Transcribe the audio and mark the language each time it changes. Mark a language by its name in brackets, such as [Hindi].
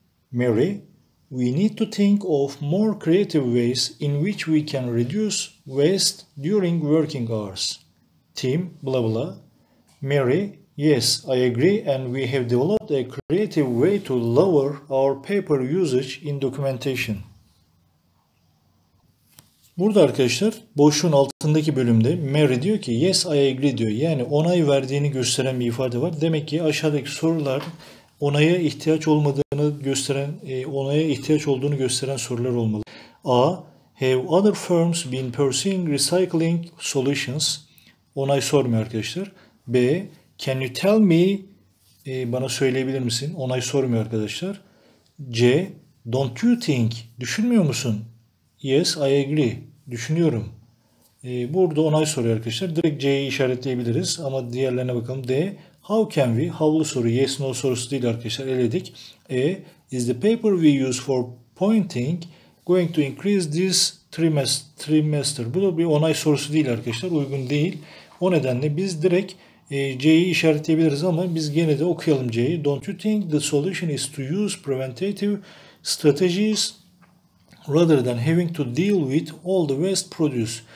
[English] Mary, we need to think of more creative ways in which we can reduce waste during working hours. Team, blah blah. Mary, yes, I agree, and we have developed a creative way to lower our paper usage in documentation. [Turkish] Burada arkadaşlar boşluğun altındaki bölümde Mary diyor ki [English] yes I agree [Turkish] diyor. Yani onay verdiğini gösteren bir ifade var. Demek ki aşağıdaki sorular onaya ihtiyaç olmadığını gösteren, onaya ihtiyaç olduğunu gösteren sorular olmalı. [English] A. Have other firms been pursuing recycling solutions? [Turkish] Onay sormuyor arkadaşlar. [English] B. Can you tell me? [Turkish] Bana söyleyebilir misin? Onay sormuyor arkadaşlar. C. [English] Don't you think? [Turkish] Düşünmüyor musun? [English] Yes, I agree. [Turkish] Düşünüyorum. Burada onay soruyor arkadaşlar. Direkt C'yi işaretleyebiliriz ama diğerlerine bakalım. D. [English] How can we? [Turkish] How'lu soru. Yes, no sorusu değil arkadaşlar. Eledik. E. [English] Is the paper we use for pointing going to increase this trimester? [Turkish] Bu da bir onay sorusu değil arkadaşlar. Uygun değil. O nedenle biz direkt C'yi işaretleyebiliriz ama biz gene de okuyalım C'yi. [English] Don't you think the solution is to use preventative strategies rather than having to deal with all the waste produce?